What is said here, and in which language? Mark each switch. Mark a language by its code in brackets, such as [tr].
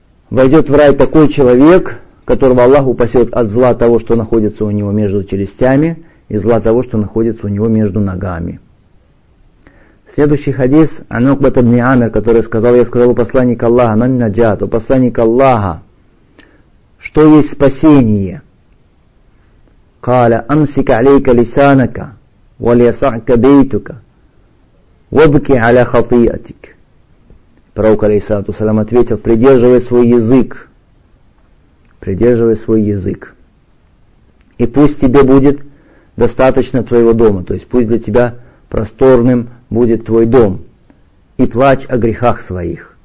[ru] Войдет в рай такой человек, которого Аллах упасет от зла того, что находится у него между челюстями, и зла того, что находится у него между ногами. Следующий хадис от Укбат ибн Амир, который сказал: «Я сказал у посланника Аллаха: ман наджат, у посланника Аллаха, что есть спасение?» [ar] قال امسك عليك لسانك وليسعك بيتك وابكي على خطيئتك. [ru] Пророк алейхиссалату вассалям ответил: придерживай свой язык, придерживай свой язык, и пусть тебе будет достаточно твоего дома, то есть пусть для тебя просторным будет твой дом, и плачь о грехах своих.